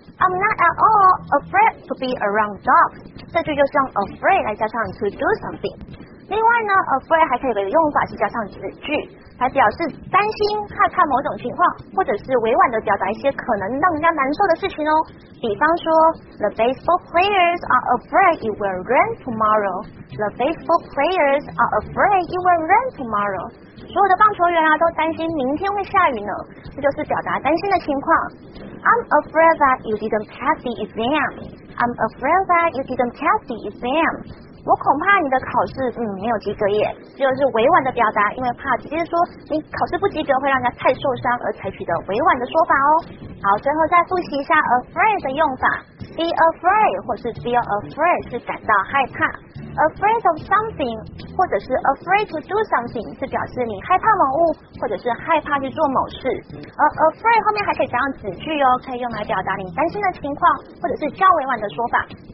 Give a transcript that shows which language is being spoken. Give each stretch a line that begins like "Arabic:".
English: I'm not at all afraid to be around dogs.
Chinese: 这句就是用 afraid 来加上 to do something。另外呢 ，afraid 还可以有一个用法是加上子句，来表示担心、害怕某种情况，或者是委婉的表达一些可能让人家难受的事情哦。比方说
English: ，The baseball players are afraid it will rain tomorrow. The baseball players are afraid it will rain tomorrow.
Chinese: 所有的棒球员啊都担心明天会下雨呢，这就是表达担心的情况。
English: I'm afraid that you didn't pass the exam. I'm afraid that you didn't pass the exam.
Chinese: 我恐怕你的考试没有及格耶，就是委婉的表达，因为怕直接说你考试不及格会让人家太受伤而采取的委婉的说法哦。好，最后再复习一下 afraid 的用法。be afraid 或是 feel afraid 是感到害怕， afraid of something 或者是 afraid to do something 是表示你害怕某物或者是害怕去做某事，而 afraid 后面还可以加上子句哦，可以用来表达你担心的情况或者是较委婉的说法。